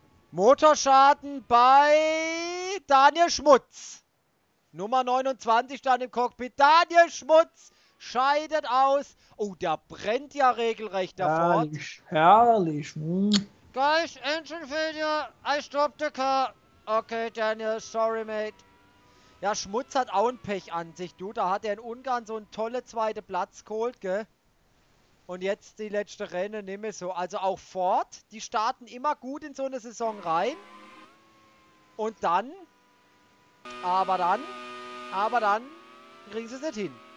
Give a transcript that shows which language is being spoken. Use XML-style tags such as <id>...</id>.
<de>Motorschaden bei Daniel Schmutz. Nummer 29 stand im Cockpit. Daniel Schmutz scheidet aus. Oh, der brennt ja regelrecht, der herrlich, Ford. Herrlich.</de> <en>Guys, Engine Failure. I stopped the car. Okay, Daniel, sorry, mate.</en> <de>Ja, Schmutz hat auch ein Pech an sich, du. Da hat er in Ungarn so einen tolle zweite Platz geholt, gell? Und jetzt die letzte Rennen, nimm es so. Also auch Ford, die starten immer gut in so eine Saison rein. Und dann, aber dann kriegen sie es nicht hin.</de>